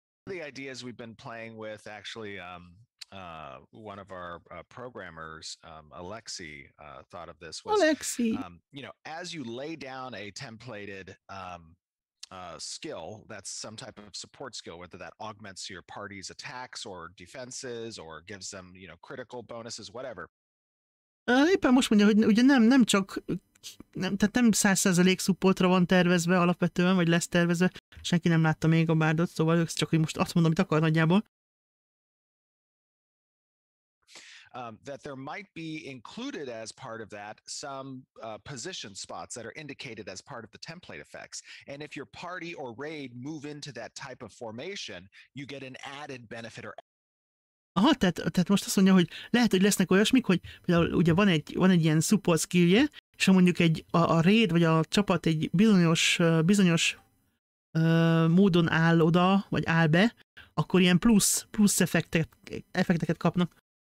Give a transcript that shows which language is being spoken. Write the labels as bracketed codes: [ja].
[en] The ideas we've been playing with, actually, one of our programmers, Alexi, thought of this. You know, as you lay down a templated skill, that's some type of support skill, whether that augments your party's attacks or defenses or gives them, you know, critical bonuses, whatever. [hu] Éppen most mondja, hogy ugye nem 100% supportra van tervezve alapvetően, vagy lesz tervezve. Senki nem látta még a bárdot, szóval ők csak, hogy most azt mondom, amit akar nagyjából. [en] That there might be included as part of that some position spots that are indicated as part of the template effects. And if your party or raid move into that type of formation, you get an added benefit or... [hu] Aha, tehát most azt mondja, hogy lehet, hogy lesznek olyasmik, hogy például ugye van egy ilyen support skillje, és ha mondjuk a raid vagy a csapat egy bizonyos módon áll oda, vagy áll be, akkor ilyen plusz effekteket kapnak.